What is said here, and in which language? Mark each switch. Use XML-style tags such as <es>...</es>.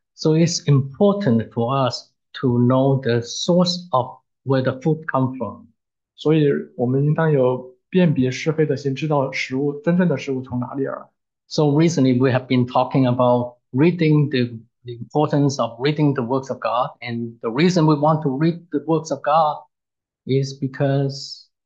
<en>So it's important for us to know the source of where the food comes from.</en> <zh>所以，我们应当有辨别是非的心，知道食物真正的食物从哪里而来。</zh> <en>So recently we have been talking about reading the importance of reading the works of God, and the reason we want to read the works of God is because.</en>